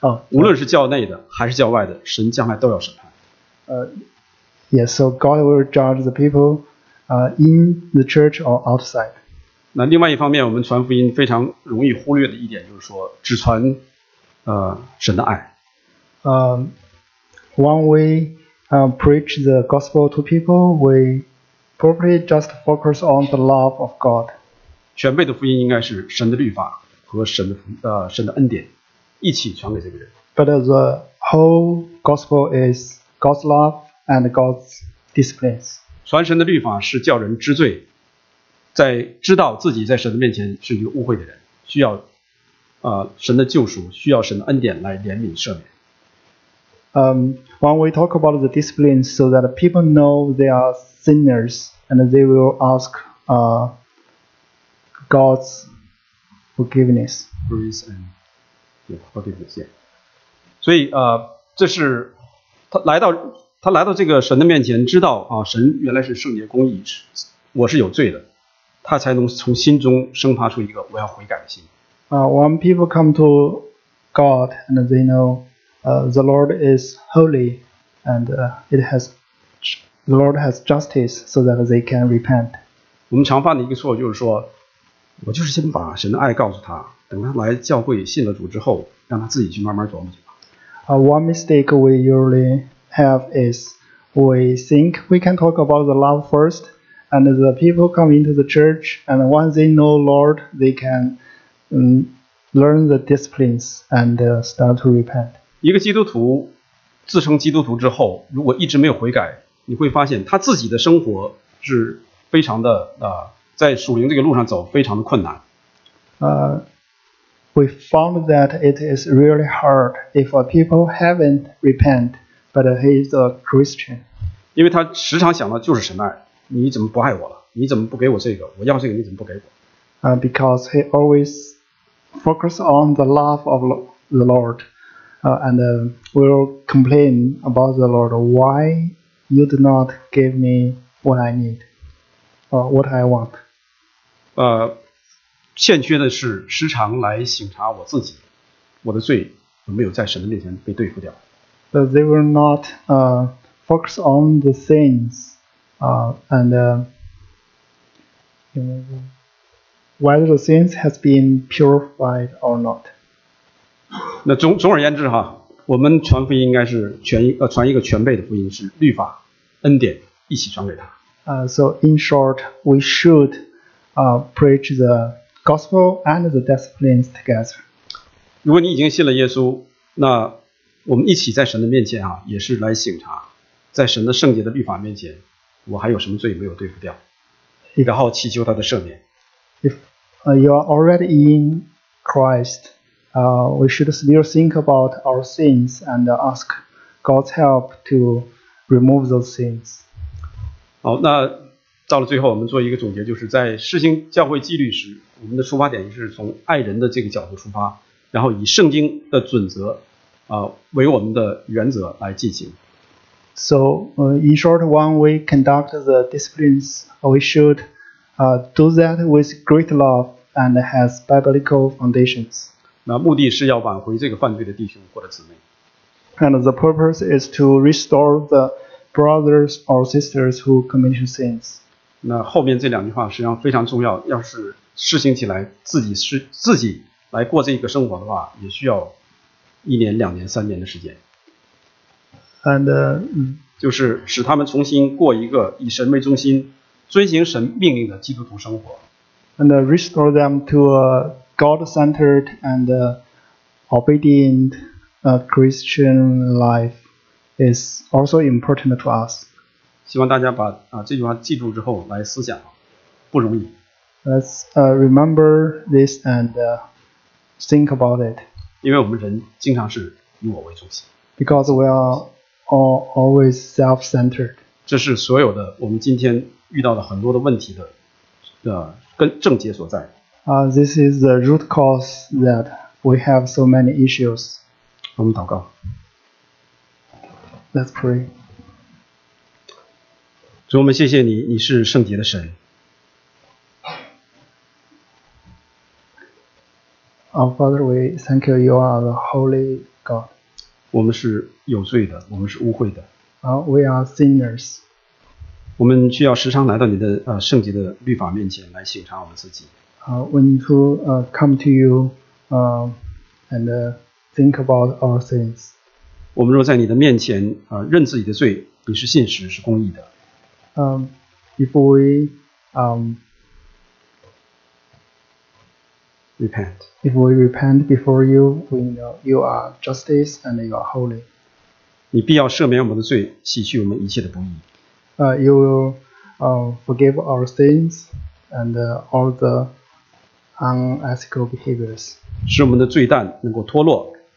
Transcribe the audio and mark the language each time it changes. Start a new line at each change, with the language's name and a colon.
Chinese: 无论是教内的还是教外的，神将来都要审判。
English: Yes, so God will judge the people, in the church or outside.
Chinese: 那另外一方面，我们传福音非常容易忽略的一点就是说，只传，神的爱。
English: When we preach the gospel to people, we probably just focus on the love of God.
Chinese: 全备的福音应该是神的律法和神的神的恩典一起传给这个人。
English: But the whole gospel is God's love and God's discipline.
Chinese: 传神的律法是叫人知罪，在知道自己在神的面前是一个污秽的人，需要神的救赎，需要神的恩典来怜悯赦免。
English: When we talk about the discipline, so that people know they are sinners and they will ask God's forgiveness. Grace and forgiveness. Yeah.
Chinese: 所以这是他来到这个神的面前，知道神原来是圣洁公义，我是有罪的，他才能从心中生发出一个我要悔改的心。
English: When people come to God and they know the Lord is holy and the Lord has justice, so that they can repent.
Chinese: 我们常犯的一个错就是说，我就是先把神的爱告诉他，等他来教会信了主之后，让他自己去慢慢琢磨去吧。
English: One mistake we usually have is we think we can talk about the love first, and the people come into the church, and once they know Lord, they can learn the disciplines and start to repent.
Chinese: 一个基督徒自称基督徒之后，如果一直没有悔改，你会发现他自己的生活是非常的在属灵这个路上走非常的困难。
English: We found that it is really hard if a people haven't repent, but he is a Christian.
Chinese: 因为他时常想到就是神爱，你怎么不爱我了？你怎么不给我这个？我要这个你怎么不给我？
English: Because he always focus on the love of the Lord. Will complain about the Lord, why you do not give me what I need, or what I want.
Chinese: 欠缺的是时常来省察我自己，我的罪有没有在神的面前被对付掉。
English: But they will not focus on the sins, whether the sins has been purified or not.
Chinese: 那总而言之哈，我们传福音应该是传一个全备的福音，是律法、恩典一起传给他。
English: So in short, we should preach the gospel and the disciplines together.
Chinese: 如果你已经信了耶稣，那我们一起在神的面前也是来省察，在神的圣洁的律法面前，我还有什么罪没有对付掉，然后祈求他的赦免。
English: If you are already in Christ,we should still think about our sins and ask God's help to remove those sins.
Chinese: 好，那到了最后我们做一个总结，就是在施行教会纪律时，我们的出发点是从爱人的这个角度出发，然后以圣经的准则为我们的原则来进行。
English: So, in short, when we conduct the disciplines, we should do that with great love and has biblical foundations.
Chinese: 那目的是要挽回这个犯罪的弟兄或者姊妹。
English: And the purpose is to restore the brothers or sisters who committed sins.
Chinese: 那后面这两句话实际上非常重要，要是施行起来自己来过这个生活的话，也需要一年、两年、三年的时间。
English: And
Chinese: 就是使他们重新过一个以神为中心、遵行神命令的基督徒生活。
English: And restore them to God-centered and obedient Christian life is also important to us.
Chinese: 希望大家把这句话记住之后来思想，不容易。
English: Let's remember this and think about it.
Chinese: 因为我们人经常是以我为中心。
English: Because we are all always self-centered.
Chinese: 这是所有的我们今天遇到的很多的问题的根症结所在。
English: This is the root cause that we have so many issues.
Chinese: 我们祷告。
English: Let's pray.
Chinese: 主，我们谢谢你，你是圣洁的神。
English: Father, we thank you. You are the Holy God.
Chinese: 我们是有罪的，我们是污秽的。
English: We are sinners.
Chinese: 我们需要时常来到你的圣洁的律法面前来省察我们自己。
English: We need to come to you, and think about our sins.
Chinese: 我们若在你的面前认自己的罪，你是信实，是公义的。
English: If we repent. If we repent before you, we know you are justice and you are holy.
Chinese: 你必要赦免我们的罪，洗去我们一切的不义。
English: You will forgive our sins and all the unethical behaviors.
Chinese: 使我们的罪担能够脱落。